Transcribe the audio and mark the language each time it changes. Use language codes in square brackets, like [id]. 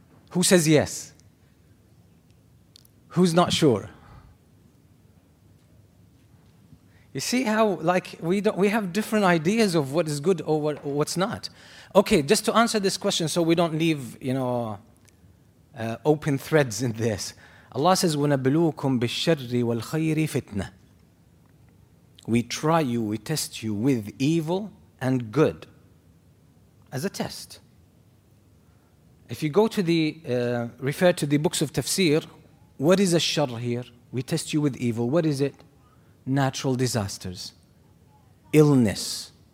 [en] Who says yes? Who's not sure? You see how, like, we have different ideas of what is good or what's not. Okay, just to answer this question so we don't leave, you know, open threads in this. Allah says, [ar] وَنَبْلُوكُمْ بِالشَّرِّ وَالْخَيْرِ فِتْنَةً. [en] We try you, we test you with evil and good. As a test. If you go to the, refer to the books of tafsir, what is ash-shar here? We test you with evil. What is it? Natural disasters. Illness.